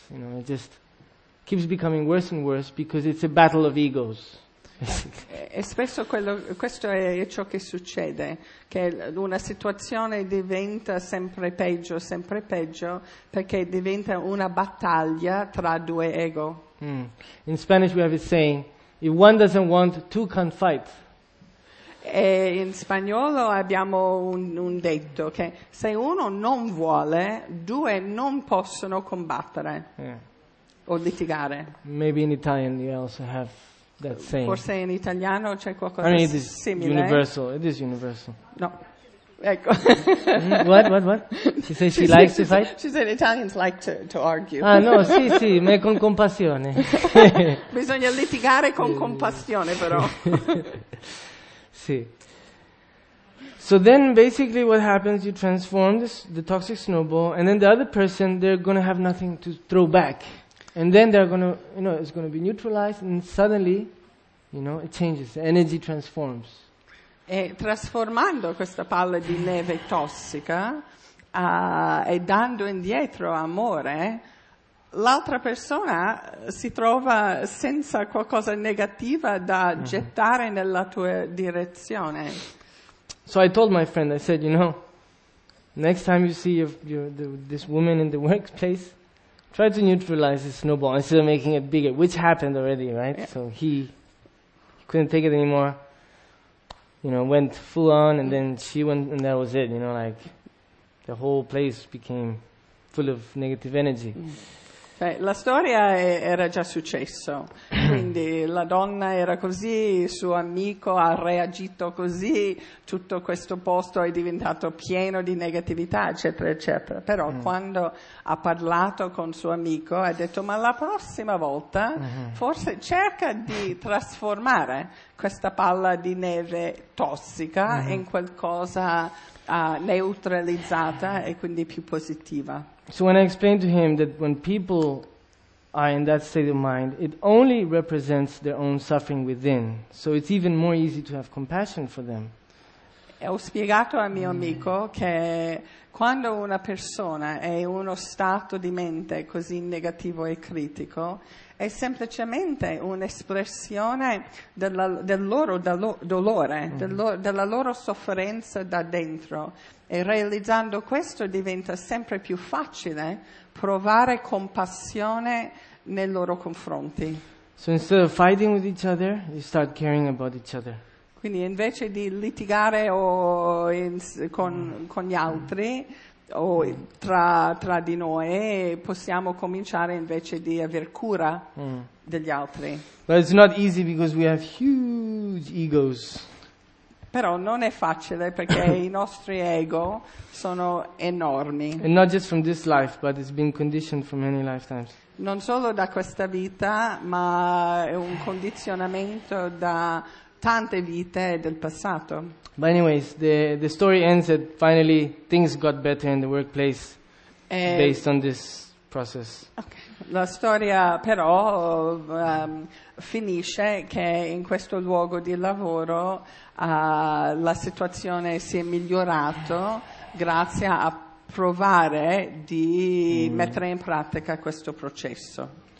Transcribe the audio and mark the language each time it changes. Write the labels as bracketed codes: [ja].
[en] You know, it just keeps becoming worse and worse because it's a battle of egos. [it] E spesso questo è ciò che succede, che una situazione diventa sempre peggio, perché diventa una battaglia tra due ego. [en] Mm. In Spanish we have a saying, if one doesn't want, two can't fight. [it] E in spagnolo abbiamo un detto che se uno non vuole, due non possono combattere o litigare. [en] Maybe in Italian you also have that saying. [it] Forse in italiano c'è qualcosa di simile. [en] Universal. It is universal. [it] No. Ecco. [en] What? She says she likes to fight? She said Italians like to argue. [it] Ah, no, sì, ma con compassione. Bisogna litigare con compassione, però. Sì. [en] So then basically what happens, you transform the toxic snowball, and then the other person, they're going to have nothing to throw back. And then they're going to, you know, it's going to be neutralized, and suddenly, you know, it changes. The energy transforms. [it] E trasformando questa palla di neve tossica e dando indietro amore, l'altra persona si trova senza qualcosa negativa da gettare nella tua direzione. [en] So I told my friend, I said, you know, next time you see this woman in the workplace, try to neutralize the snowball instead of making it bigger, which happened already, right? Yeah. So he couldn't take it anymore. You know, went full on, and then she went, and that was it. You know, like the whole place became full of negative energy. [it] La storia era già successo. Quindi la donna era così, il suo amico ha reagito così, tutto questo posto è diventato pieno di negatività, eccetera, eccetera. Però quando ha parlato con suo amico, ha detto, ma la prossima volta forse cerca di trasformare questa palla di neve tossica in qualcosa neutralizzata e quindi più positiva. [en] So when I explained to him that when people are in that state of mind, it only represents their own suffering within. So it's even more easy to have compassion for them. [it] Ho spiegato a mio amico che quando una persona è in uno stato di mente così negativo e critico, è semplicemente un'espressione del loro dolore, della loro sofferenza da dentro. E realizzando questo diventa sempre più facile provare compassione nei loro confronti. [en] So instead of fighting with each other, you start caring about each other. [it] Quindi invece di litigare con gli altri o tra di noi, possiamo cominciare invece di aver cura degli altri. [en] But it's not easy because we have huge egos. [it] però non è facile perché i nostri ego sono enormi. [en] And not just from this life, but it's been conditioned for many lifetimes. [it] Non solo da questa vita, ma è un condizionamento da tante vite del passato. [en] But anyways, the story ends that finally things got better in the workplace based on this process. Okay. [it] La storia però finisce che in questo luogo di lavoro la situazione si è migliorata grazie a provare di mettere in pratica questo processo.